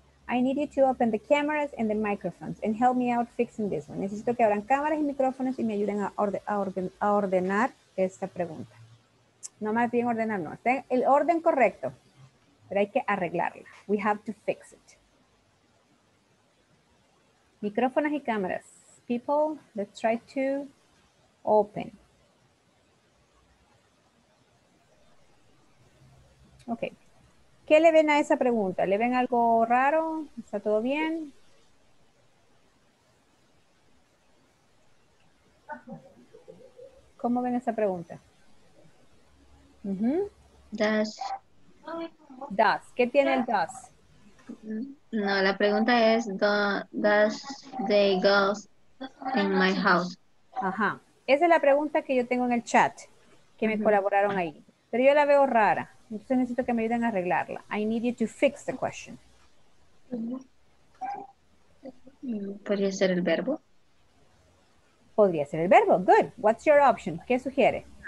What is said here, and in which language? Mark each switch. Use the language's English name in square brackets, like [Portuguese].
[English] I need you to open the cameras and the microphones and help me out fixing this one. [Spanish] Necesito que abran cámaras y micrófonos y me ayuden a ordenar esta pregunta. No más bien ordenar, no. Está el orden correcto, pero hay que arreglarla. [English] We have to fix it. [Spanish] Micrófonos y cámaras. [English] People, let's try to open. [Spanish] Ok. ¿Qué le ven a esa pregunta? ¿Le ven algo raro? ¿Está todo bien? ¿Cómo ven esa pregunta? [English] Does. [Spanish] ¿Qué tiene el does? No, la pregunta es, [English] does they go in my house? [Spanish] Ajá. Esa es la pregunta que yo tengo en el chat, que me colaboraron ahí. Pero yo la veo rara. Entonces necesito que me ayuden a arreglarla. [English] I need you to fix the question. [Spanish] ¿Podría ser el verbo? Podría ser el verbo. [English] Good. What's your option? [Spanish] ¿Qué sugiere?